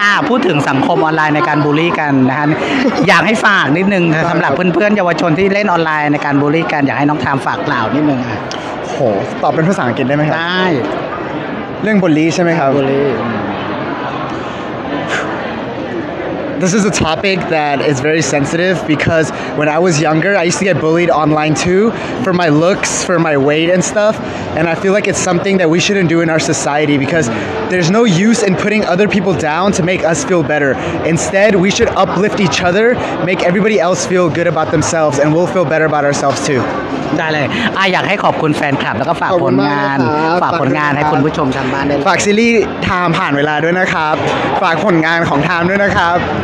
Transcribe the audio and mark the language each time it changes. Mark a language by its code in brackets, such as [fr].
[th] พูดถึงสังคมออนไลน์ในการบูลลี่กันนะฮะอยากให้ฝากนิดนึงสำหรับเพื่อนๆเยาวชนที่เล่นออนไลน์ในการบูลลี่กันอยากให้น้องทามฝากกล่าวนิดนึงอ่ะ โหตอบเป็นภาษาอังกฤษได้ไหมครับ ได้เรื่องบูลลี่ใช่ไหมครับ บูลลี่ [en] This is a topic that is very sensitive because when I was younger I used to get bullied online too for my looks for my weight and stuff and I feel like it's something that we shouldn't do in our society becauseThere's no use in putting other people down to make us feel better. Instead, we should uplift each other, make everybody else feel good about themselves, and we'll feel better about ourselves too. [th] ได้เลยอยากให้ขอบคุณแฟนคลับแล้วก็ฝากผลงานฝากผลงานให้คุณผู้ชมชาวบ้านได้ ฝากซีรีส์ทามผ่านเวลาด้วยนะครับฝากผลงานของทามด้วยนะครับ